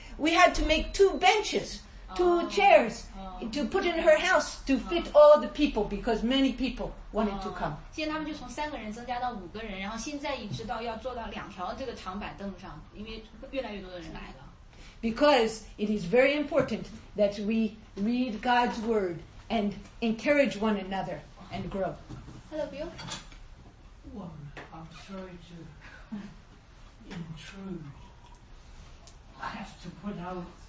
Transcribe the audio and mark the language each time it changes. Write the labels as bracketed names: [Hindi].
[English] We had to make 2 benches, 2 chairs to put in her house to fit all the people because many people wanted to come. [Chinese] 现在他们就从三个人增加到五个人，然后现在一直到要坐到两条这个长板凳上，因为越来越多的人来了。 [English] Because it is very important that we read God's word and encourage one another and grow. Hello, Bill. Well, I'm sorry to intrude. I have to put out